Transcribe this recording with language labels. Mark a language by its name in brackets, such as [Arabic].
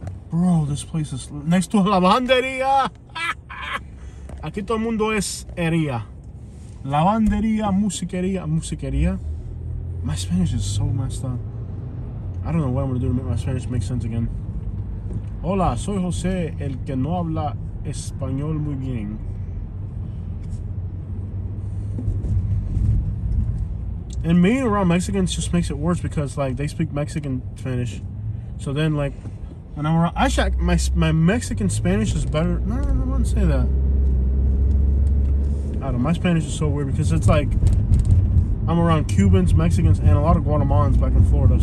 [English] Bro, this place is... Next to a lavandería. [Spanish] Aquí todo el mundo es hería. [English] Lavandería, musiquería. My Spanish is so messed up. I don't know what I'm going to do to make my Spanish make sense again. [Spanish] Hola, soy José, el que no habla español muy bien. [English] And being around Mexicans just makes it worse because, like, they speak Mexican Spanish. So then, like, when I'm around... Actually, my Mexican Spanish is better. No, I wouldn't say that. I don't know. My Spanish is so weird because it's like I'm around Cubans, Mexicans, and a lot of Guatemalans back in Florida.